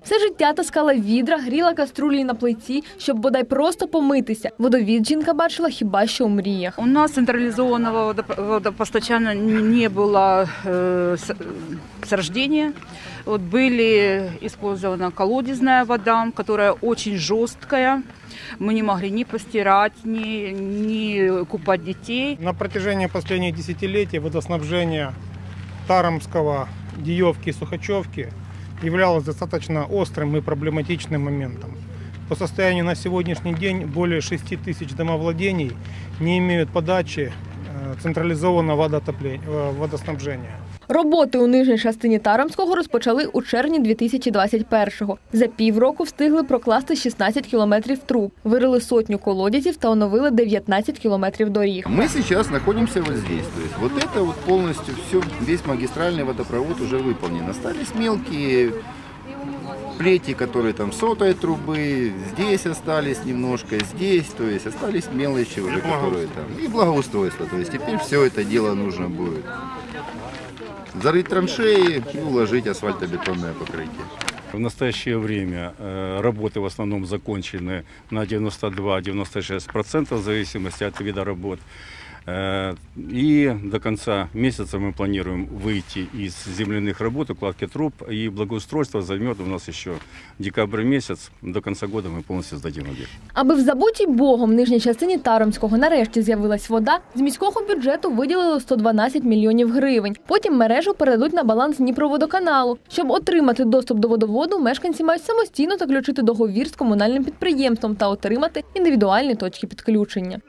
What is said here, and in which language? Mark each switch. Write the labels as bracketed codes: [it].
[uk] Все життя таскала відра, гріла каструлі на плиті, щоб бодай просто помитися. Водовід жінка бачила хіба що у мріях. У нас централізованого водопостачання не було з рождення. От були використана колодязна вода, яка дуже жорстка. [ru] Мы не могли ни постирать, ни купать детей. На протяжении последних десятилетий водоснабжение Таремского, Диевки и Сухачевки являлось достаточно острым и проблематичным моментом. По состоянию на сегодняшний день более 6 тысяч домовладений не имеют подачи централизованного водоснабжения. [uk] Роботи у нижній частині Таремського розпочали у червні 2021-го. За півроку встигли прокласти 16 кілометрів труб, вирили сотню колодязів та оновили 19 кілометрів доріг. Ми зараз знаходимося ось тут. Тобто, ось це повністю, весь магістральний водопровод вже виконано. Остались мілкі плеті, які там сотої труби, тут залишилися немножко, тут, тобто, залишилися мелочі вже, які там. І благоустройство, тобто, тепер все це діло потрібно буде. Зарити траншеї і вложити асфальтобетонне покриття. [ru] В настоящее время работы в основном закончены на 92-96%, в зависимости от вида работ. И до конца месяца мы планируем выйти из земляных работ, укладки труб, и благоустройство займет у нас еще декабрь месяц. До конца года мы полностью сдадим объект. [uk] Аби в забутій Богом нижній частині Таромського нарешті з'явилась вода, з міського бюджету виділили 112 мільйонів гривень. Потім мережу передадуть на баланс Дніпроводоканалу. Щоб отримати доступ до водоводу, мешканці мають самостійно заключити договір з комунальним підприємством та отримати індивідуальні точки підключення.